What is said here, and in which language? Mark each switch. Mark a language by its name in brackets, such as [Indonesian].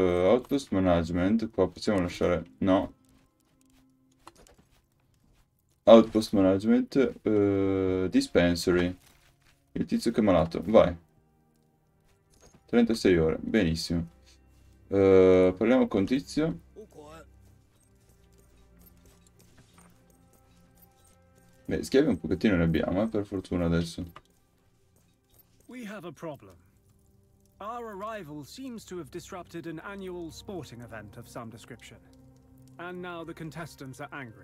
[English] Outpost management, [Italian] qua possiamo lasciare, no. [English] Outpost management, dispensary. [Italian] Il tizio che è malato, vai. 36 ore, benissimo. Parliamo con tizio. Beh, schiavi un pochettino ne abbiamo, per fortuna adesso. [English] We have a problem. Our arrival seems to have disrupted an annual sporting event of some description. And now the contestants are angry.